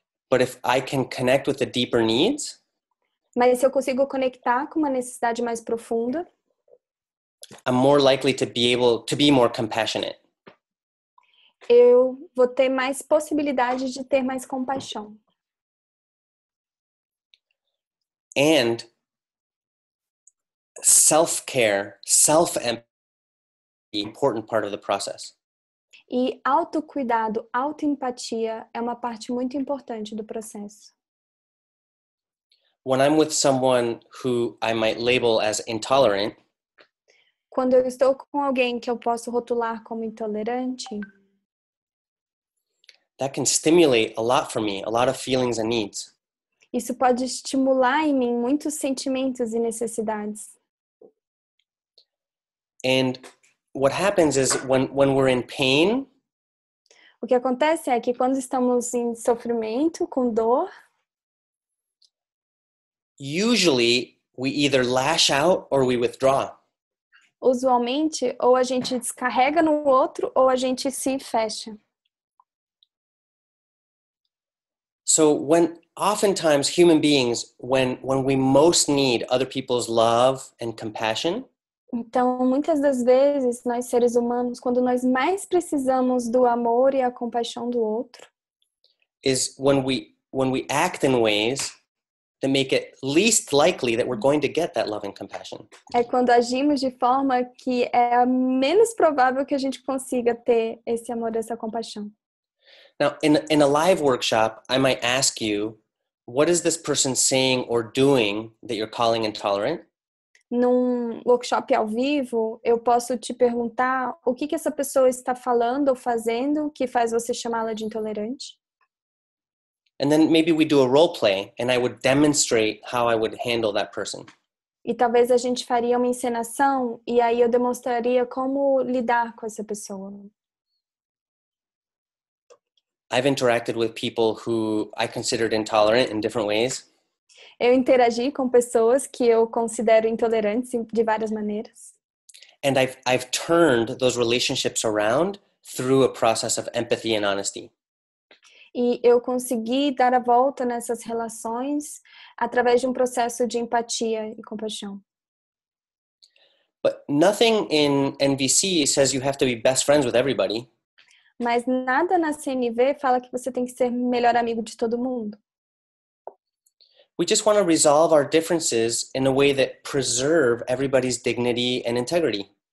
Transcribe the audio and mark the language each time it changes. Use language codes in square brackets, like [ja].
[en] But if I can connect with the deeper needs, [pt] mas se eu consigo conectar com uma necessidade mais profunda, [en] I'm more likely to be able to be more compassionate. [pt] Eu vou ter mais possibilidade de ter mais compaixão. [en] And self-care, self-empathy, important part of the process. [pt] E autocuidado, autoempatia é uma parte muito importante do processo. [en] When I'm with someone who I might label as intolerant, [pt] quando eu estou com alguém que eu posso rotular como intolerante, [en] That can stimulate a lot for me, a lot of feelings and needs. [pt] Isso pode estimular em mim muitos sentimentos e necessidades. [en] And what happens is when we're in pain, [pt] o que acontece é que quando estamos em sofrimento, com dor, [en] usually we either lash out or we withdraw. [pt] Usualmente, ou a gente descarrega no outro ou a gente se fecha. [en] So when oftentimes human beings, when we most need other people's love and compassion, [pt] então, muitas das vezes, nós seres humanos, quando nós mais precisamos do amor e a compaixão do outro, [en] is when we act in ways that make it least likely that we're going to get that love and compassion. [pt] É quando agimos de forma que é menos provável que a gente consiga ter esse amor, essa compaixão. [en] Now, in a live workshop, I might ask you, what is this person saying or doing that you're calling intolerant? [pt] Num workshop ao vivo, eu posso te perguntar o que essa pessoa está falando ou fazendo que faz você chamá-la de intolerante. [en] And then maybe we do a role play and I would demonstrate how I would handle that person. [pt] E talvez a gente faria uma encenação e aí eu demonstraria como lidar com essa pessoa. [en] I've interacted with people who I considered intolerant in different ways. [pt] Eu interagi com pessoas que eu considero intolerantes de várias maneiras. [en] And I've turned those relationships around through a process of empathy and honesty. [pt] E eu consegui dar a volta nessas relações através de um processo de empatia e compaixão. [en] But nothing in NVC says you have to be best friends with everybody. [pt] Mas nada na CNV fala que você tem que ser melhor amigo de todo mundo. [en] We just want to resolve our differences in a way that preserve everybody's dignity and integrity.